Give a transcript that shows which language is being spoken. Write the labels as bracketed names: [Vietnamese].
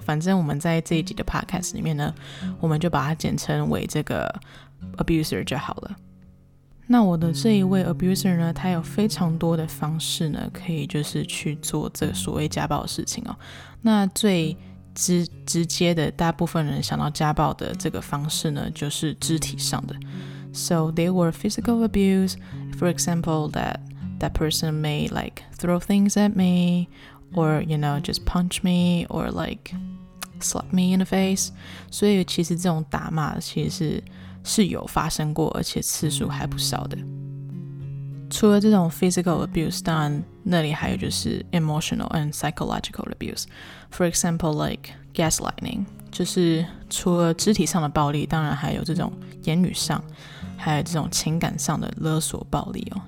[Chinese] 反正我们在这一集的 podcast 里面呢，我们就把它简称为这个 abuser 就好了。那我的这一位 abuser 呢，他有非常多的方式呢，可以就是去做这个所谓家暴的事情哦。那最直接的，大部分人想到家暴的这个方式呢，就是肢体上的。 [English] So there were physical abuse, for example, that person may like throw things at me, or you know, just punch me, or like slap me in the face. [Chinese] 所以其实这种打骂其实是有发生过，而且次数还不少的。除了这种 physical abuse, 当然那里还有就是 [English] emotional and psychological abuse. For example, like gaslighting, [Chinese] 就是除了肢体上的暴力，当然还有这种言语上，还有这种情感上的勒索暴力哦。